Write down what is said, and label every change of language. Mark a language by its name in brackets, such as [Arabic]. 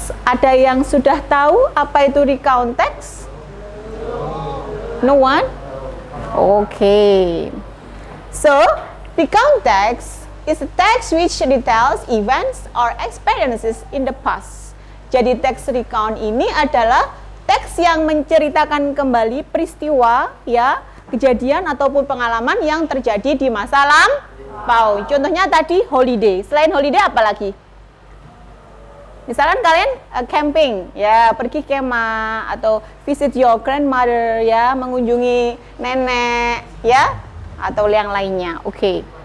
[Indonesian] Ada yang sudah tahu apa itu recount text? [English] No one? Okay. So, recount text is a text which details events or experiences in the past. [Indonesian] Jadi text recount ini adalah text yang menceritakan kembali peristiwa, ya, kejadian ataupun pengalaman yang terjadi di masa lampau. Contohnya tadi holiday. Selain holiday apa lagi? Misalkan kalian camping, ya, pergi kemah atau [English] visit your grandmother, [Indonesian] ya, mengunjungi nenek, ya, atau yang lainnya. Oke. Okay.